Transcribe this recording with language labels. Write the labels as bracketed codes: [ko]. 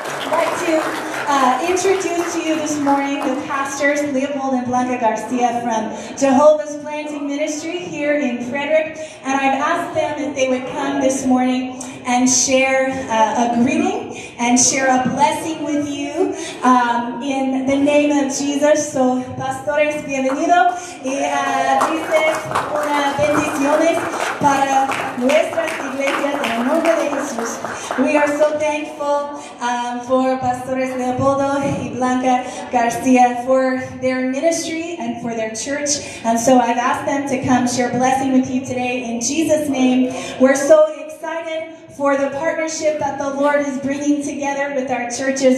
[en] I'd like to introduce to you this morning the pastors Leopold and Blanca García from Jehovah's Planting Ministry here in Frederick, and I've asked them if they would come this morning and share a greeting and share a blessing with you in the name of Jesus. [es] So, pastores, bienvenido y dices unas bendiciones para nuestras iglesias en el nombre de Jesús. [en] We are so thankful for pastores Leopoldo y Blanca García for their ministry and for their church. And so I've asked them to come share a blessing with you today in Jesus' name. We're so excited for the partnership that the Lord is bringing together with our churches.